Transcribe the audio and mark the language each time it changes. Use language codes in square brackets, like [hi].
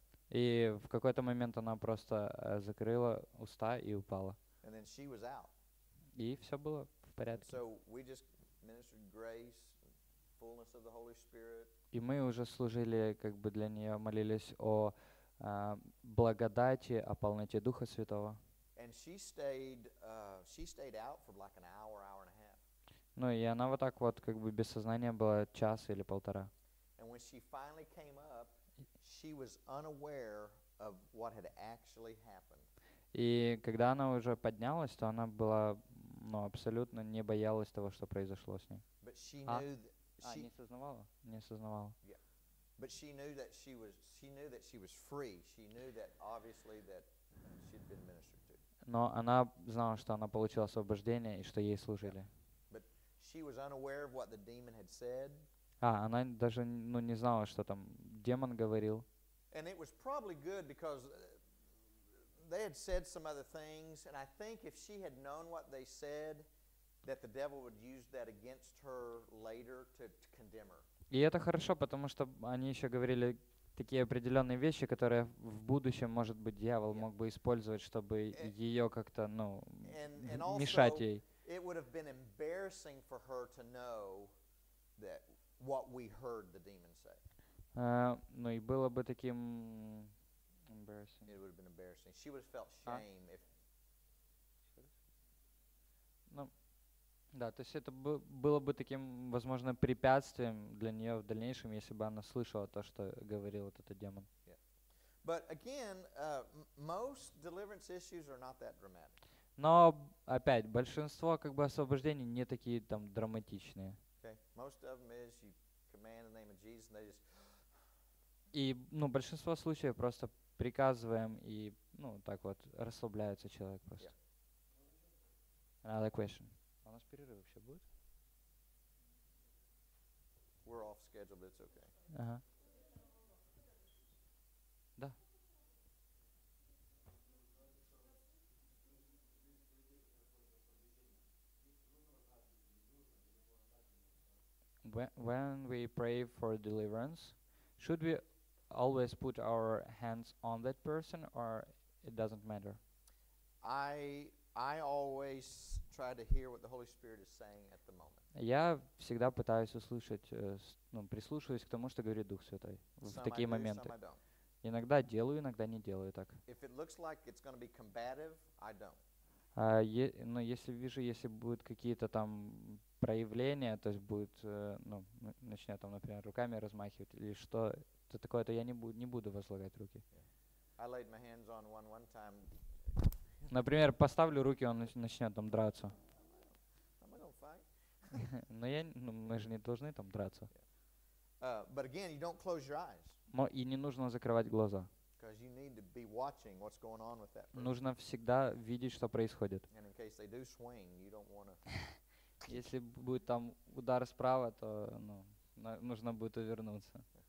[ru] И в какой-то момент она просто закрыла уста и упала. [en] And then she was out. [ru] И все было в порядке. [en] So we just ministered grace, fullness of the Holy Spirit. [ru] И мы уже служили, как бы для нее молились о благодати, о полноте Духа Святого. [en] And she stayed out for like an hour, hour and a half. [ru] Ну и она вот так вот как бы без сознания была час или полтора. [en] And when she finally came up, she was unaware of what had actually happened. [ru] И когда она уже поднялась, то она была, ну, абсолютно не боялась того, что произошло с ней. [en] But she knew that she [ru] не осознавала. [en] Yeah. But she knew that she was free. She knew that obviously that she'd been ministered to. [ru] Но она знала, что она получила освобождение и что ей служили. [en] Yeah. But she was unaware of what the demon had said. [ru] А, она даже, ну, не знала, что там демон говорил. [en] And it was probably good because they had said some other things, and I think if she had known what they said, that the devil would use that against her later to condemn her. [ru] И это хорошо, потому что они еще говорили такие определенные вещи, которые в будущем, может быть, дьявол мог бы использовать, чтобы ее как-то, ну, мешать ей. [en] And it would have been embarrassing for her to know that what we heard the demon say. [ru] Ну и было бы таким embarrassing. [en] It would have been embarrassing. She would have felt shame if. [ru] Ну, да, то есть это было бы таким, возможно, препятствием для нее в дальнейшем, если бы она слышала то, что говорил вот этот демон. [en] Yeah. But again, most deliverance issues are not that dramatic. [ru] Но опять большинство как бы освобождений не такие там драматичные. [en] Most of them is you command in the name of Jesus, and they just. [ru] И, ну, большинство случаев просто приказываем и, ну, так вот расслабляется человек просто. [en] Yeah. Another question. [ru] У нас перерыв вообще будет? [en] We're off schedule, but it's okay. [ru] Ага. Да. [en] When we pray for deliverance, should we always put our hands on that person, or it doesn't matter? I I always try to hear what the Holy Spirit is saying at the moment. [ru] Я всегда пытаюсь услышать, ну, прислушиваюсь к тому, что говорит Дух Святой в такие моменты. Иногда делаю, иногда не делаю так. [en] If it looks like it's going to be combative, I don't. [ru] Но если вижу, если будут какие-то там проявления, то есть будет, ну, начнёт там, например, руками размахивать или что-то такое, то я не буду возлагать руки. [en] I laid my hands on one time. [ru] Например, поставлю руки, он начнет там драться. Мы же не должны там драться. [en] But again, you don't close your eyes. [ru] Но и не нужно закрывать глаза. [en] Because you need to be watching what's going on with that person. [ru] Нужно всегда видеть, что происходит. [en] And in case they do swing, you don't want to. [ru] Если будет там удар справа, то, ну, нужно будет увернуться.